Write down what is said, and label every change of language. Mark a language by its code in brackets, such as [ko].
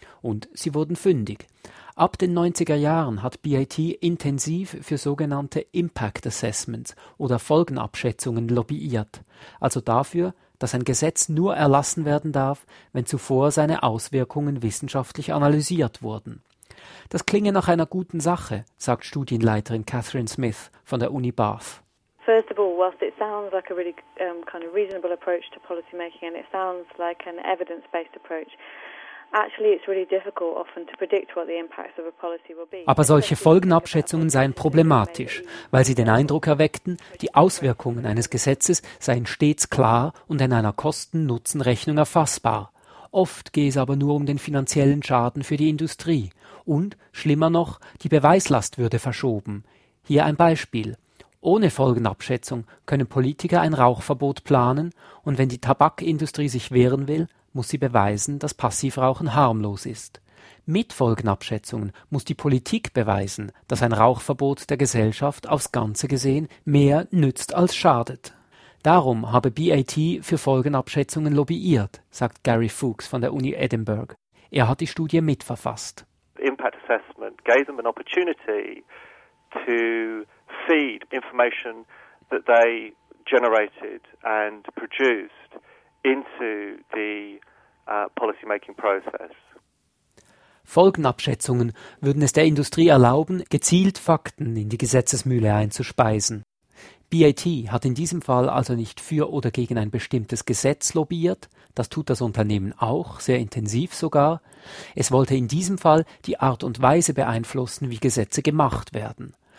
[de] Und sie wurden fündig. Ab den 90er Jahren hat BAT intensiv für sogenannte Impact Assessments oder Folgenabschätzungen lobbyiert. Also dafür, dass ein Gesetz nur erlassen werden darf, wenn zuvor seine Auswirkungen wissenschaftlich analysiert wurden. Das klinge nach einer guten Sache, sagt Studienleiterin Catherine Smith von der Uni Bath. [en] First of all, whilst it sounds like a really kind of reasonable approach to policy making and it sounds like an evidence-based approach, actually it's really difficult often to predict what the impacts of a policy will be. [de] Aber solche Folgenabschätzungen seien problematisch, weil sie den Eindruck erweckten, die Auswirkungen eines Gesetzes seien stets klar und in einer Kosten-Nutzen-Rechnung erfassbar. Oft gehe es aber nur um den finanziellen Schaden für die Industrie. Und, schlimmer noch, die Beweislast würde verschoben. Hier ein Beispiel. Ohne Folgenabschätzung können Politiker ein Rauchverbot planen und wenn die Tabakindustrie sich wehren will, muss sie beweisen, dass Passivrauchen harmlos ist. Mit Folgenabschätzungen muss die Politik beweisen, dass ein Rauchverbot der Gesellschaft aufs Ganze gesehen mehr nützt als schadet. Darum habe BAT für Folgenabschätzungen lobbyiert, sagt Gary Fuchs von der Uni Edinburgh. Er hat die Studie mitverfasst. [en] Impact Assessment gave them an opportunity to feed information that they generated and produced into the policy-making process. [de] Folgenabschätzungen würden es der Industrie erlauben, gezielt Fakten in die Gesetzesmühle einzuspeisen. BAT hat in diesem Fall also nicht für oder gegen ein bestimmtes Gesetz lobbyiert, das tut das Unternehmen auch, sehr intensiv sogar. Es wollte in diesem Fall die Art und Weise beeinflussen, wie Gesetze gemacht werden.